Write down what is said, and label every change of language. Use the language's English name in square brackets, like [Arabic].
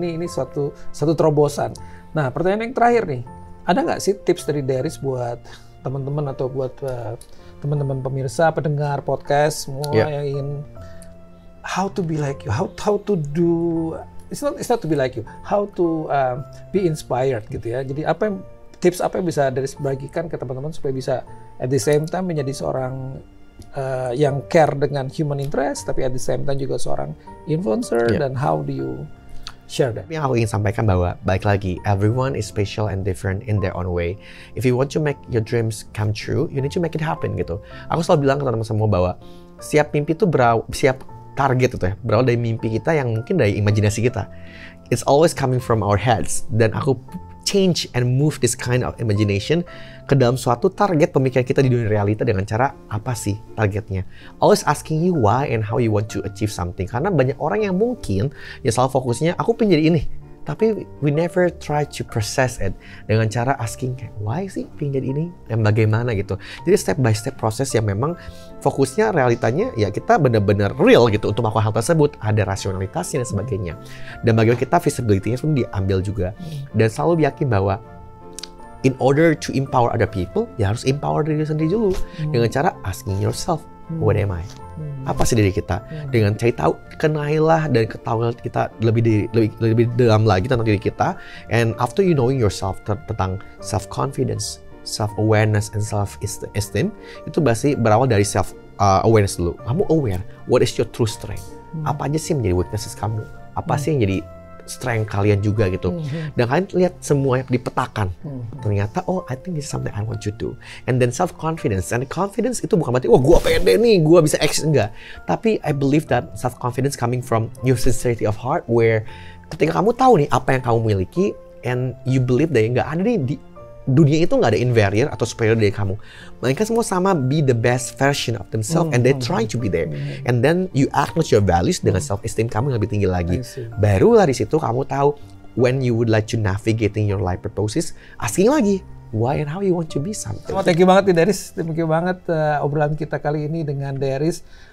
[Indonesian] Yeah. Ini suatu terobosan. Nah pertanyaan yang terakhir nih, ada nggak sih tips dari Deris buat teman-teman atau buat teman-teman pemirsa, pendengar podcast semua yang ingin [English] how to be like you, how to do, it's not to be like you, how to be inspired [Indonesian] gitu ya. Jadi apa yang, tips apa yang bisa Deris bagikan ke teman-teman supaya bisa [English] at the same time [Indonesian] menjadi seorang yang care dengan human interest, tapi at the same time juga seorang influencer, dan [English] how do you share that? [Indonesian] Yang aku ingin sampaikan bahwa, baik lagi, [English] everyone is special and different in their own way. If you want to make your dreams come true, you need to make it happen, gitu. [Indonesian] Aku selalu bilang ke teman-teman semua bahwa, siap mimpi itu siap target itu ya, berawal dari mimpi kita yang mungkin dari imajinasi kita. [English] It's always coming from our heads, [Indonesian] dan aku [English] change and move this kind of imagination [Indonesian] ke dalam suatu target pemikiran kita di dunia realita dengan cara apa sih targetnya. [English] Always asking you why and how you want to achieve something. [Indonesian] Karena banyak orang yang mungkin ya salah fokusnya, aku pengen jadi ini. Tapi [English] we never try to process it [Indonesian] dengan cara [English] asking why [Indonesian] sih pengen jadi ini dan bagaimana gitu. Jadi step by step proses yang memang fokusnya realitanya ya kita benar-benar real gitu untuk melakukan hal tersebut, ada rasionalitasnya dan sebagainya. Dan bagaimana kita visibility-nya pun diambil juga. Dan selalu yakin bahwa [English] in order to empower other people, [Indonesian] ya harus empower diri sendiri dulu dengan cara [English] asking yourself, what am I? [Indonesian] Apa sih diri kita? Dengan cari tahu, kenailah dan ketahui kita lebih dalam lagi tentang diri kita. [English] And after you knowing yourself tentang self confidence, self awareness and self esteem, [Indonesian] itu pasti berawal dari [English] self awareness dulu. Kamu aware what is your true strength? [Indonesian] Apa aja sih menjadi weaknesses kamu? Apa sih yang jadi strength kalian juga gitu. Dan kalian lihat semuanya dipetakan. Ternyata, [English] oh I think this is something I want to do. And then self-confidence. And confidence [Indonesian] itu bukan berarti, wah gue pede nih, gue bisa action. Enggak. Tapi [English] I believe that self-confidence coming from your sincerity of heart, [Indonesian] where ketika kamu tahu nih apa yang kamu miliki, [English] and you believe that [Indonesian] enggak ada nih di dunia itu gak ada inferior atau superior dari kamu. Mereka semua sama, [English] be the best version of themselves, and they try to be there. And then you acknowledge your values [Indonesian] dengan self-esteem kamu yang lebih tinggi lagi. Barulah di situ kamu tahu [English] when you would like to navigating your life purposes, asking lagi, why and how you want to be something. [Indonesian] Oh, [English] thank you [Indonesian] banget nih Deris. Thank you banget obrolan kita kali ini dengan Deris.